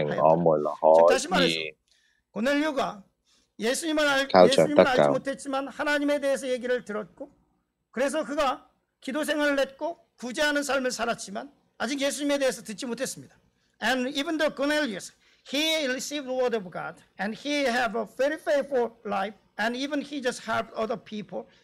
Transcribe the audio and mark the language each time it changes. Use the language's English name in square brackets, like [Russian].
[Chinese] 圣经话咧，冇除咗耶稣基督之外，冇别的名。喺救恩里面冇别的名。我哋睇《使徒行传》嘅4章12節，我哋一齐读。除他以外，别无拯救，因为在天下人间没有赐下别的名，我们可以。 [Korean] 고넬료가 예수님을 알지 못했지만 하나님에 대해서 얘기를 들었고 그래서 그가 기도 생활을 했고 구제하는 삶을 살았지만 아직 예수님에 대해서 듣지 못했습니다. [English] And even though Cornelius, he received the word of God and he have a very faithful life and even he just helped other people